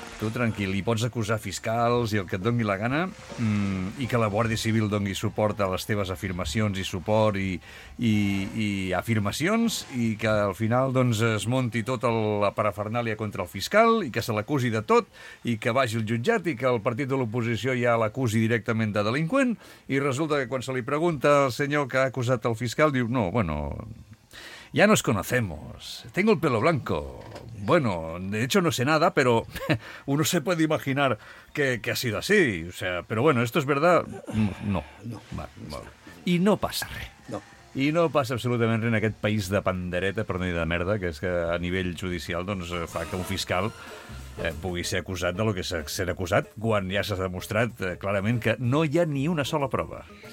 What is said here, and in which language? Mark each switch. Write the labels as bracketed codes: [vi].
[ca] Tu tranquil, i pots acusar fiscals i el que et doni la gana, i que la Guàrdia Civil doni suport a les teves afirmacions i suport i afirmacions, i que al final doncs es monti tota la parafernàlia contra el fiscal i que se l'acusi de tot i que vagi al jutjat i que el partit de l'oposició ja l'acusi directament de delinqüent, i resulta que quan se li pregunta al senyor que ha acusat el fiscal, diu: [es] no, bueno, ya nos conocemos, tengo el pelo blanco. Bueno, de hecho no sé nada, pero uno se puede imaginar que ha sido así. O sea, pero bueno, ¿esto es verdad? No. No. Vale. Y no pasa res. No. [ca] I no passa absolutament res en aquest país de pandereta, per no dir de merda, que és que a nivell judicial doncs fa que un fiscal pugui ser acusat de lo que s'ha acusat, quan ja s'ha demostrat clarament que no hi ha ni una sola prova.